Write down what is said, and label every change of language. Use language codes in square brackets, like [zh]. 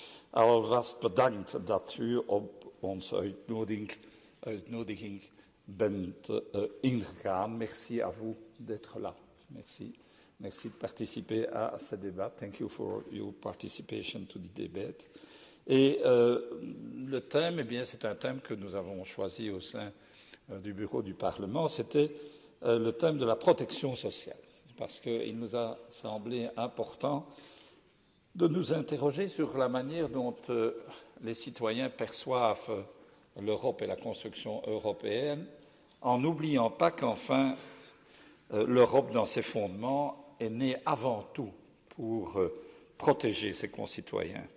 [nl] Alvast bedankt dat u op onze uitnodiging bent ingegaan. [fr] Merci à vous d'être là. Merci. Merci de participer à ce débat. [en] Thank you for your participation to the debate. [fr] Et le thème, c'est un thème que nous avons choisi au sein du bureau du Parlement, c'était le thème de la protection sociale, parce qu'il nous a semblé important de nous interroger sur la manière dont les citoyens perçoivent l'Europe et la construction européenne, en n'oubliant pas qu'enfin l'Europe, dans ses fondements, est née avant tout pour protéger ses concitoyens.